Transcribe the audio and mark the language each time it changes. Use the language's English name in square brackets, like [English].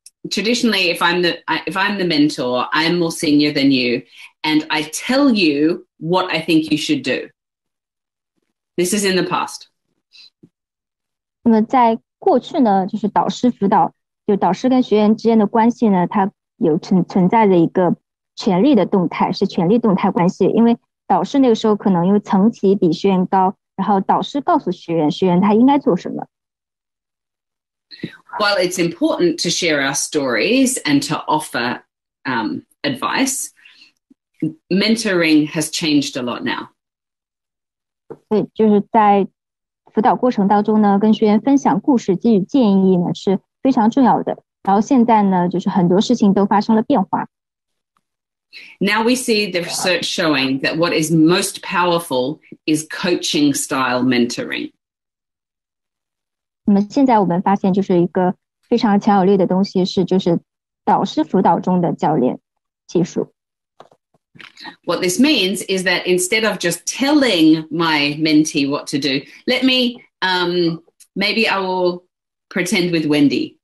[English] Traditionally, if I'm the mentor, I'm more senior than you, and I tell you what I think you should do. This is in the past. [Chinese] 那么在过去呢，就是导师辅导，就导师跟学员之间的关系呢，它有存在的一个权力的动态，是权力动态关系。因为导师那个时候可能因为层级比学员高，然后导师告诉学员，学员他应该做什么。 [English] While it's important to share our stories and to offer advice, mentoring has changed a lot now. [Chinese] 对，就是在辅导过程当中呢，跟学员分享故事、给予建议呢是非常重要的。然后现在呢，就是很多事情都发生了变化。 [English] Now we see the research showing that what is most powerful is coaching style mentoring. [Chinese] 那么现在我们发现就是一个非常强有力的东西是就是导师辅导中的教练技术。 [English] What this means is that instead of just telling my mentee what to do, let me, maybe I will pretend with Wendy.